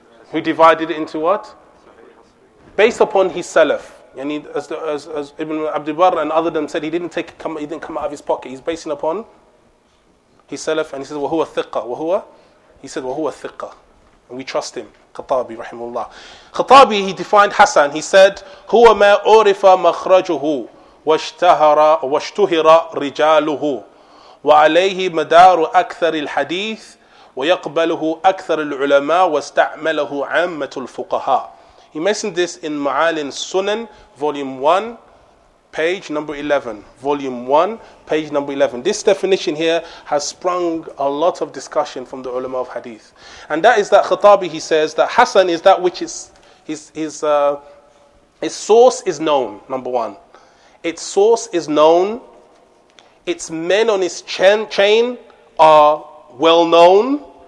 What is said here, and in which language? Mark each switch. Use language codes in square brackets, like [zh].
[en] Who divided it into what? Based upon his salaf. And he, as Ibn Abdul Barr and other than said, he didn't come out of his pocket. He's basing upon his salaf, and he says, [ar] وَهُوَ الثِّقَّةِ وَهُوَ. [en] He said, [ar] وَهُوَ الثِّقَّةِ. [en] And we trust him. Khattabi, rahimullah. Khattabi, he defined Hassan. He said, [ar] هُوَ مَا عُرِفَ مَخْرَجُهُ وَاشْتُهِرَ رِجَالُهُ وَعَلَيْهِ مَدَارُ أَكْثَرِ الْحَدِيثِ وَيَقْبَلُهُ أَكْثَرِ الْعُلَمَاءِ وَاسْتَعْمَلَهُ عَامَّةُ الْفُقَهَاءِ. [en] He mentioned this in Ma'alin Sunan, volume 1, page number 11. Volume 1, page number 11. This definition here has sprung a lot of discussion from the ulama of hadith. And that is that Khattabi, he says, that Hassan is that which is his source is known, number one. Its source is known. Its men on its chain are well known.